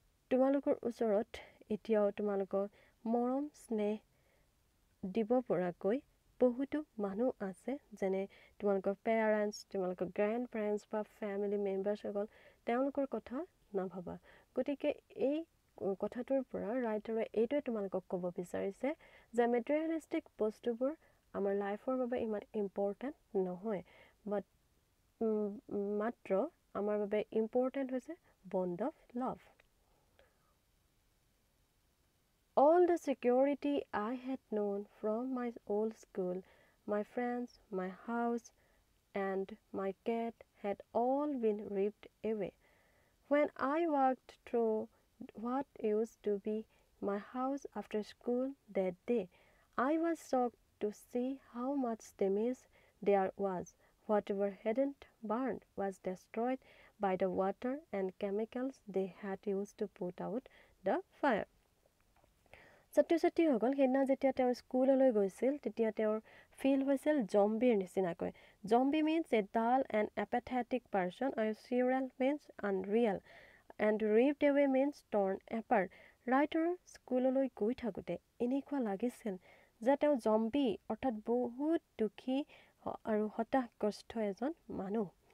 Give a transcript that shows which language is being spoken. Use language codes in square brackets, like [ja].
[as] তোমালোকৰ ওচৰত এতিয়াও তোমালোকক মৰম স্নেহ দিব পৰাকৈ বহুতো মানুহ আছে যেনে তোমালোকৰ পেৰেণ্টছ তোমালোকৰ গ্ৰেণ্ড পেৰেণ্টছ বা ফেমিলি মেম্বাৰসকল তেওঁলোকৰ কথা নাভাবা গতিকে এই কথাটোৰ পৰা ৰাইটাৰে এইটোৱে তোমালোকক ক'ব বিচাৰিছে যে মেটেৰিয়েলিষ্টিক বস্তুবোৰ আমাৰ লাইফৰ বাবে ইমান ইম্পৰ্টেণ্ট নহয় বাট মাত্ৰ আমাৰ বাবে ইম্পৰ্টেণ্ট হৈছে [en] Bond of love All the security I had known from my old school, my friends, my house, and my cat had all been ripped away. When I walked through what used to be my house after school that day, I was shocked to see how much damage there was. Whatever hadn't burned was destroyed by the water and chemicals they had used to put out the fire. [as] ছাত্ৰ ছাত্ৰীসকল সেইদিনা যেতিয়া তেওঁ স্কুললৈ গৈছিল তেতিয়া তেওঁৰ feel হৈছিল জম্বিৰ নিচিনাকৈ zombie [en] means a dull and apathetic person [as] আৰু চিউৰেল [en] means unreal and ripped away means torn apart [as] writer স্কুললৈ গৈ থাকোঁতে এনেকুৱা লাগিছিল যে তেওঁ জম্বি অৰ্থাৎ বহুত দুখী আৰু হতাশগ্ৰস্ত এজন মানুহ